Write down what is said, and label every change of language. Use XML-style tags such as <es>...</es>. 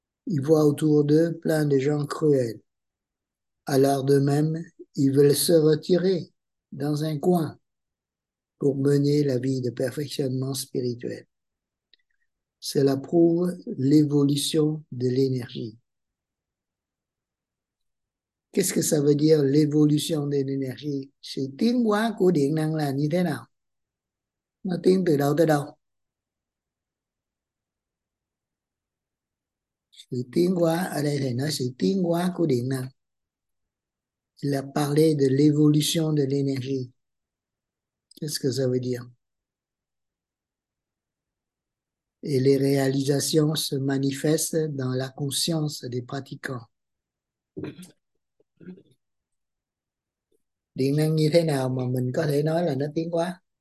<fr>Ils voient autour d'eux plein de gens cruels. Alors d'eux-mêmes, ils veulent se retirer dans un coin pour mener la vie de perfectionnement spirituel. Cela prouve l'évolution de l'énergie. Qu'est-ce que ça veut dire l'évolution de l'énergie?</fr> <vi>Sự tiến hóa của điện năng là như thế nào? Nó tiến từ đâu tới đâu? Sự tiến hóa ở đây thì nói sự tiến hóa của điện năng.</vi> <fr>Il a parlé de l'évolution de l'énergie. Qu'est-ce que ça veut dire? Et les réalisations se manifestent dans la conscience des pratiquants.</fr> <vi>Điện năng như thế nào mà mình có thể nói là nó tiến hóa?</vi>